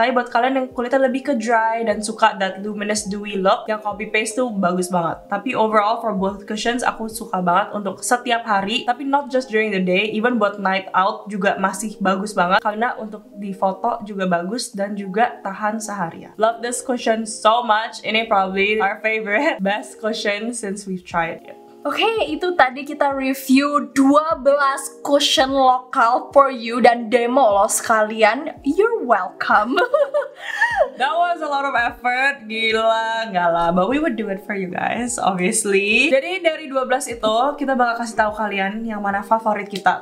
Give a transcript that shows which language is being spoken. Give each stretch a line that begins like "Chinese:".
Indonesian: Tapi buat kalian yang kulitnya lebih ke dry dan suka
English: that luminous dewy look,
Indonesian: yang copy paste tuh bagus banget. Tapi overall
English: for both cushions
Indonesian: aku suka banget untuk setiap hari, tapi
English: not just during the day,
Indonesian: even buat night out juga masih bagus banget karena untuk di foto juga bagus dan juga tahan seharian.
English: Love this cushion so much.
Indonesian: Ini
English: probably our favorite best cushion since we've tried it.
Indonesian: Okay, itu tadi kita review 12 cushion lokal
English: for you
Indonesian: dan demo lo sekalian.
English: You're welcome. That was a lot of effort,
Indonesian: gila, nggak lah.
English: But we would do it for you guys, obviously.
Indonesian: Jadi dari 12 itu, kita bakal kasih tahu kalian yang mana favorit kita.